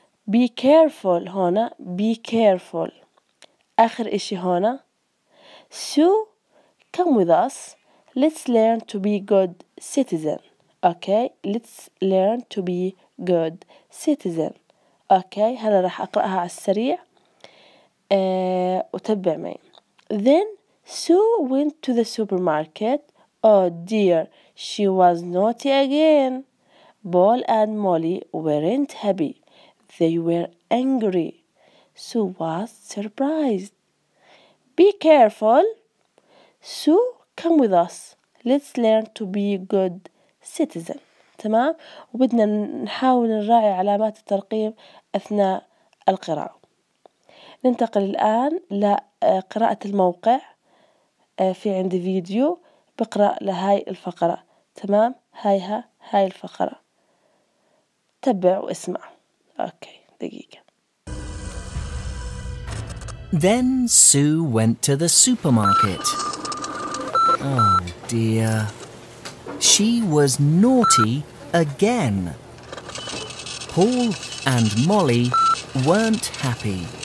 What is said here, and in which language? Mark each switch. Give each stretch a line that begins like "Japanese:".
English: Be careful هنا، be careful آخر إشي هنا. Sue come with us. Let's learn to be good citizen. Okay, let's learn to be good citizen.
Arabic: Okay, هلا راح أقرأها على السريع وتبع معي.
English: Then Sue went to the supermarket. Oh dear, she was naughty again. Paul and Molly weren't happy. They were angry. Sue was surprised. Be careful. Sue, come with us. Let's learn to be good citizen.
Arabic: تمام، وبدنا نحاول نراعي علامات الترقيم أثناء القراءة. ننتقل الآن لقراءة الموقع، في عندي فيديو بقرأ لهاي الفقرة، تمام، هايها هاي الفقرة، تبع واسمع. أوكي دقيقة.
English: Then Sue went to the supermarket. Oh dear, she was naughty again. Paul and Molly weren't happy.